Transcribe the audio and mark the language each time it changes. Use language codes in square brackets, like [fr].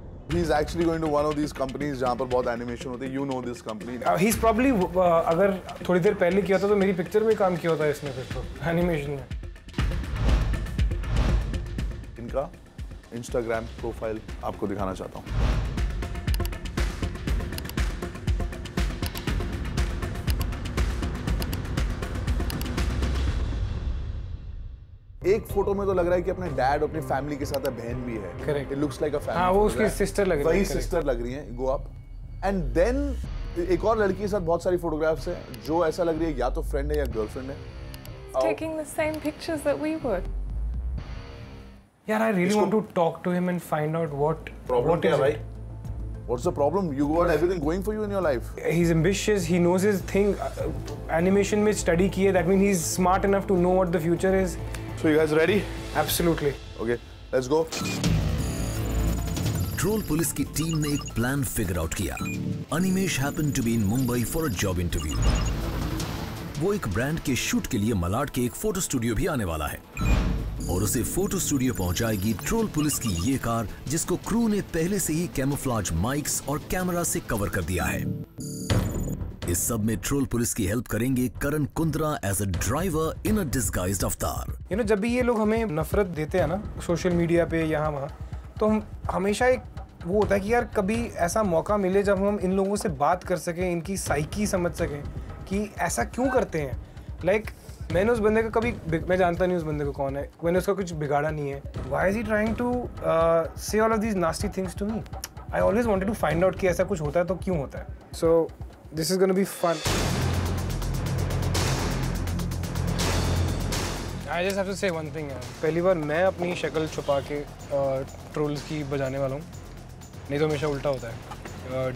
[en] He's actually going to one of these companies [hi] जहाँ पर बहुत animation होते हैं, [en] you know this company. He's probably [hi] अगर थोड़ी देर पहले किया था तो मेरी picture में काम किया होता इसने फिर तो animation में। इनका Instagram profile आपको दिखाना चाहता हूँ। एक फोटो में तो लग रहा है कि अपने डैड और अपनी फैमिली के साथ बहन भी है। [en] Correct, it looks like a family. [hi] हां वो उसकी सिस्टर लग रही है, वही सिस्टर लग रही है। [en] go up and then [hi] एक और लड़की के साथ बहुत सारी फोटोग्राफ्स है जो ऐसा लग रही है या तो फ्रेंड है या गर्लफ्रेंड है। [en] Taking the same pictures that we were. यार I really want to talk to him and find out what [hi] problem है भाई। [en] What's the problem? You got everything going for you in your life. He's ambitious. He knows his thing. [hi] Animation mein study kiya, [en] that means he's smart enough to know what the future is. So you guys ready? Absolutely. Okay, let's go. [hi] Troll Police ki team ne ek plan figure out kiya. [en] Animesh happened to be in Mumbai for a job interview. [hi] Wo ek brand ke shoot ke liye Malad ke ek photo studio bhi aane wala hai. और उसे photo studio पहुंचाएगी troll police की ये car, जिसको crew ने पहले से ही camouflage mics और कैमरा से कवर कर दिया है। इस सब में ट्रोल पुलिस की हेल्प करेंगे करण Kundra [en] As a driver in a disguised avatar. You know [hi] जब भी ये लोग हमें नफरत देते हैं ना सोशल मीडिया पे यहाँ वहाँ, तो हम हमेशा एक वो होता है कि यार कभी ऐसा मौका मिले जब हम इन लोगों से बात कर सकें, इनकी साइकी समझ सकें कि ऐसा क्यों करते हैं। मैंने उस बंदे का कभी, मैं जानता नहीं उस बंदे को कौन है, मैंने उसका कुछ बिगाड़ा नहीं है। [en] Why is he trying to say all of these nasty things to me? I always wanted to find out [hi] कि ऐसा कुछ होता है तो क्यों होता है। [en] So this is gonna be fun. I just have to say one thing, [hi] पहली बार मैं अपनी शक्ल छुपा के ट्रोल्स की बजाने वाला हूँ, नहीं तो हमेशा उल्टा होता है।